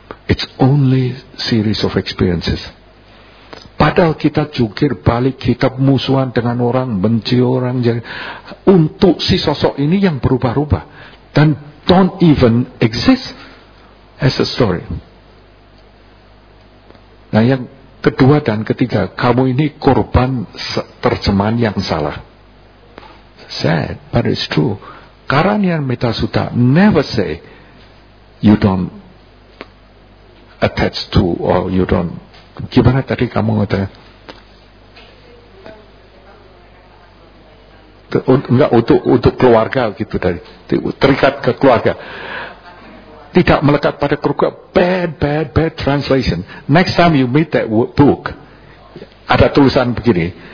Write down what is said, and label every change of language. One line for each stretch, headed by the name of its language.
English: It's only series of experiences.
Indonesian: Padahal kita jungkir balik, kita musuhan dengan orang, benci orang. Untuk si sosok ini yang berubah-ubah. Dan
English: don't even exist as a story.
Indonesian: Nah yang kedua dan ketiga, kamu ini korban terjemahan yang salah.
English: Sad, but it's true. Karanian Metasutta never say you don't attach to or you don't.
Indonesian: Gimana tadi kamu ngerti? Enggak untuk keluarga gitu dari terikat ke keluarga. Tidak melekat pada keluarga.
English: Bad translation. Next time you meet that book,
Indonesian: ada tulisan begini.